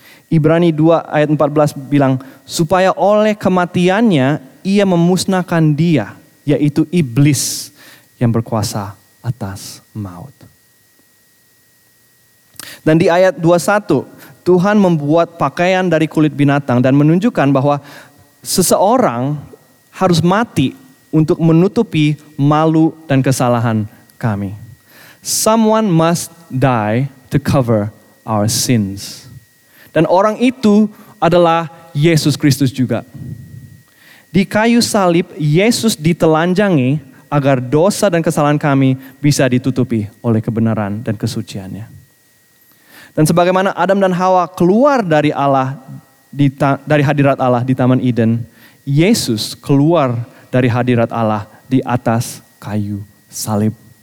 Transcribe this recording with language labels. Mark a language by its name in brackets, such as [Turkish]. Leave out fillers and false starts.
[Indonesian] Ibrani 2 ayat 14 bilang, supaya oleh kematiannya ia memusnahkan dia, yaitu iblis yang berkuasa atas maut. Dan di ayat 21, Tuhan membuat pakaian dari kulit binatang dan menunjukkan bahwa seseorang harus mati untuk menutupi malu dan kesalahan kami. [English] Someone must die to cover our sins. [Indonesian] Dan orang itu adalah Yesus Kristus juga. Di kayu salib, Yesus ditelanjangi agar dosa dan kesalahan kami bisa ditutupi oleh kebenaran dan kesuciannya. Dan sebagaimana Adam dan Hawa keluar dari Allah, dari hadirat Allah di Taman Eden, Yesus keluar dari hadirat Allah di atas kayu salib.